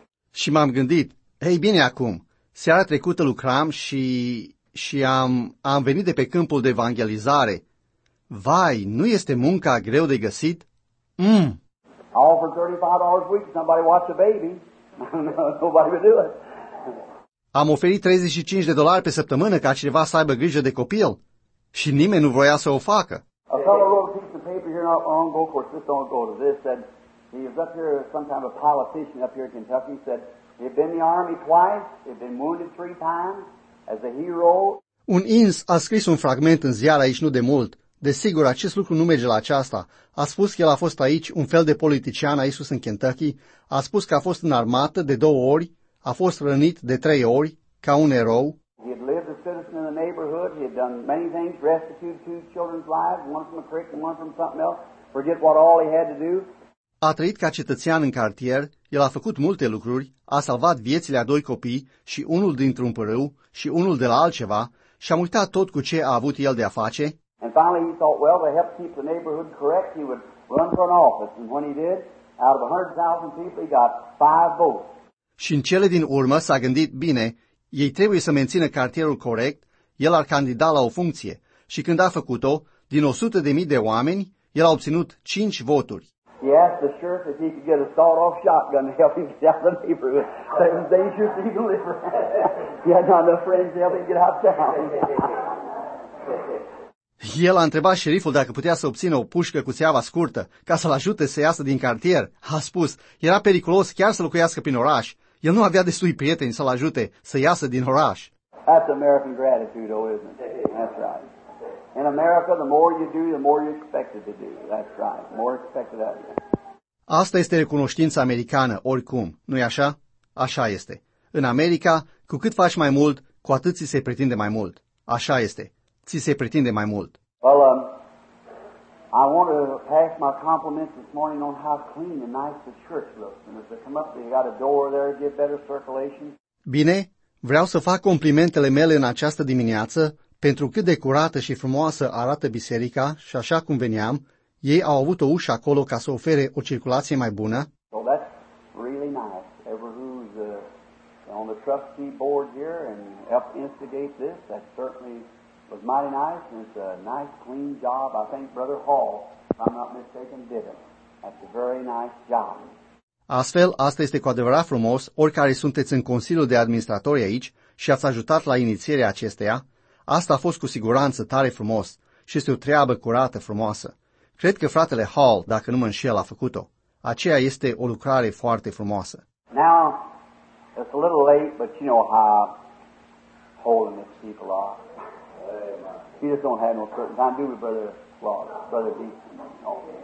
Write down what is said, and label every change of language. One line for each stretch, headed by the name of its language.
Romanian: Și m-am gândit, hei bine acum, seara trecută lucram și am venit de pe câmpul de evangelizare. Vai, nu este munca greu de găsit?
English: All for $35 a week, somebody watch a baby. Nobody would do it.
Romanian: Am oferit $35 pe săptămână ca cineva să aibă grijă de copil și nimeni nu voia să o facă.
English: A fellow wrote a piece of paper here not long ago, of course this don't go to this, said he was up here, some kind of a politician up here in Kentucky, said he'd been in the army twice, he'd been wounded three times as a hero.
Romanian: Un ins a scris un fragment în ziar aici nu de mult. Desigur, acest lucru nu merge la aceasta. A spus că el a fost aici, un fel de politician, a Iisus în Kentucky. A spus că a fost în armată de două ori, a fost rănit de trei ori, ca un erou.
English: He had lived a citizen in the neighborhood. He had done many things, rescued two children's lives, one from a creek and one from something else. Forget what all he had to do.
Romanian: A trăit ca cetățean în cartier, el a făcut multe lucruri, a salvat viețile a doi copii și unul dintr-un pârâu și unul de la altceva și a uitat tot cu ce a avut el de-a face.
English: And finally he thought, well, to help keep the neighborhood correct, he would run for an office. And when he did, out of 100,000 people, he got 5 votes.
Romanian: Și în cele din urmă s-a gândit, bine, ei trebuie să mențină cartierul corect, el ar candida la o funcție. Și când a făcut-o, din 100.000 de oameni, el a obținut 5 voturi.
English: He asked the sheriff if he could get a sawed-off shotgun to help him get out of the neighborhood. That was dangerous to even live. He had not enough friends to help him get out of town.
Romanian: El a întrebat șeriful dacă putea să obțină o pușcă cu țeava scurtă ca să-l ajute să iasă din cartier. A spus, era periculos chiar să locuiască prin oraș. El nu avea destui prieteni să-l ajute să iasă din oraș.
English: That's American gratitude, though, isn't it? That's right. In America, the more you do, the more you're expected to do. That's right. More expected of you.
Romanian: Asta este recunoștința americană, oricum, nu-i așa? Așa este. În America, cu cât faci mai mult, cu atât ți se pretinde mai mult. Așa este. Ți se pretinde mai mult.
English: Well, I want to pass my compliments this morning on how clean and nice the church looks. And as they come up, they got a door there to give better circulation.
Romanian: Bine, vreau să fac complimentele mele în această dimineață pentru cât de curată și frumoasă arată biserica și așa cum veneam, ei au avut o ușă acolo ca să ofere o circulație mai bună.
English: So that's really nice. Everyone who's on the trustee board here and helped instigate this, that's certainly... was mighty nice, and it's a nice, clean job. I think Brother Hall, if I'm not mistaken, did it. That's a very nice job.
Romanian: Astfel, asta este cu adevărat frumos, oricare sunteți în Consiliul de Administratori aici și ați ajutat la inițierea acesteia, asta a fost cu siguranță tare frumos și este o treabă curată frumoasă. Cred că fratele Hall, dacă nu mă înșel, a făcut-o. Aceea este o lucrare foarte frumoasă.
English: Now, it's a little late, but you know how holding these people are. You just don't have no certain time. Do with Brother Lawrence, Brother Deacon. No.